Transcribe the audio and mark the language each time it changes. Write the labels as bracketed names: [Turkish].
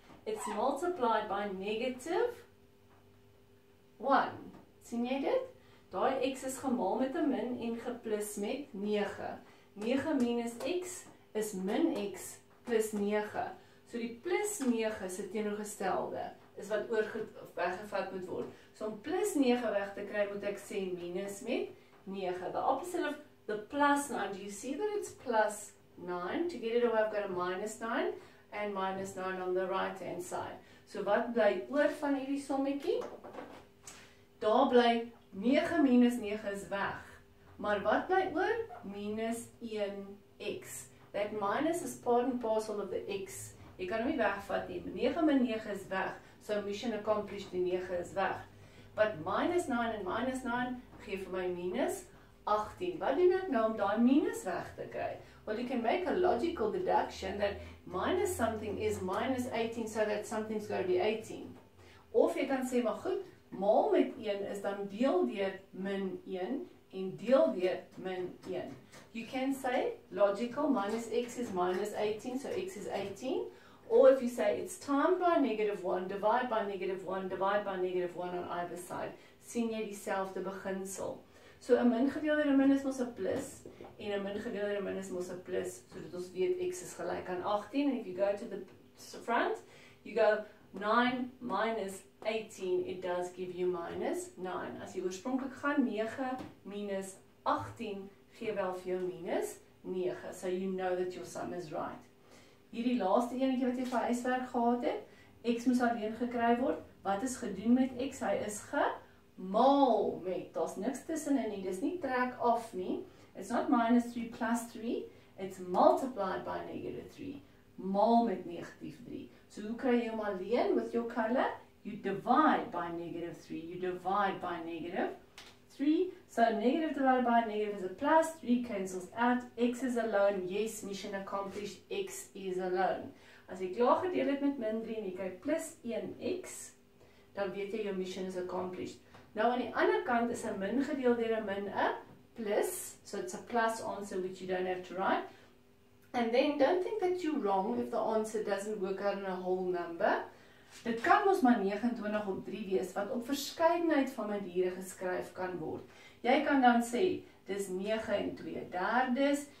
[English] It's multiplied by negative 1. [Afrikaans] Sien jy dit? Daai x is gemaal met 'n min en geplus met 9. 9 minus x is min x plus 9. So die plus 9 is 'n teenoorgestelde, is wat weggevat moet word. So om plus 9 weg te kry, moet ek sê minus met 9. [English] The opposite of the plus 9, do you see that it's plus 9? To get it away, I've got a minus 9 and minus 9 on the right hand side. [Afrikaans] So wat bly oor van hierdie sommetjie? Daar bly 9 minus 9 is weg. Maar wat bly oor? Minus 1x. [English] That minus is part and parcel of the x. [Afrikaans] Jy kan hom nie wegvat nie. 9 min 9 is weg. [English] So mission accomplished, [Afrikaans] die 9 is weg. But minus 9 en minus 9 geef my minus 18. Wat doen ek nou om die minus weg te kry? [English] Well, you can make a logical deduction that minus something is minus 18, so that something's going to be 18. [Afrikaans] Of jy kan sê, maar goed, maal met 1 is dan deel deur min 1 en deel deur min 1. [English] You can say logical minus x is minus 18, so x is 18. Or if you say it's times by negative 1, divide by negative 1, divide by negative 1 on either side, [Afrikaans] sien jy dieselfde beginsel. So een min gedeeld deur min is mos een plus, en een min gedeeld deur min is mos een plus, so dat ons weet x is gelijk aan 18. [English] And if you go to the front, you go 9 minus 18, it does give you minus 9. [Afrikaans] As jy oorspronkelijk gaan, 9 minus 18 gee wel vir jou minus 9. [English] So you know that your sum is right. [Afrikaans] Hierdie laaste enetje wat jy van huiswerk gehad het, x moes alleen gekry word. Wat is gedoen met x? Hy is gemaal met. Daar is niks tussen in nie, dis nie trek af nie. [English] It's not minus 3 plus 3, it's multiplied by negative 3. [Afrikaans] Maal met negatief 3. So hoe kry jy hom alleen met jou kale? [English] You divide by negative 3. You divide by negative 3. So negative divided by negative is a plus. 3 cancels out. X is alone. Yes, mission accomplished. X is alone. [Afrikaans] As jy klaar gedeel het met min 3 en jy kry plus 1x, dan weet jy jou [English] mission is accomplished. [Afrikaans] Nou aan die ander kant is een min gedeel deur een min a plus. [English] So it's a plus answer which you don't have to write. And then don't think that you're wrong if the answer doesn't work out in a whole number. [Afrikaans] Dit kan ons maar 29 op 3 wees, wat op verskeidenheid van maniere geskryf kan word. Jy kan dan sê, dis 9 en 2 derdes.